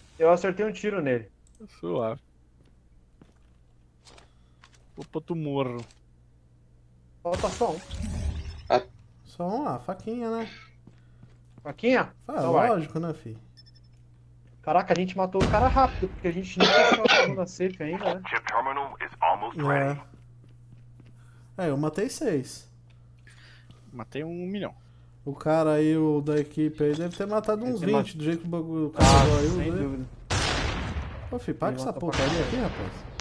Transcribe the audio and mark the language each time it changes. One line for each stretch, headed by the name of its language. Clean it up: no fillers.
Portuguese: Eu acertei um tiro nele. Suave. Opa, tu morro. Falta só um. Só um, ó. Faquinha, né? Faquinha? Ah, então lógico, vai. Né, fi? Caraca, a gente matou o cara rápido, porque a gente nunca achou a segunda safe ainda, né?
English: Chip terminal is almost ready.
Portuguese: É, eu matei 6. Matei 1 milhão. O cara aí, o da equipe aí, deve ter matado uns 20, do jeito que o bagulho caiu aí. Sem dúvida. Pô, fi, paga essa porcaria aqui, rapaz.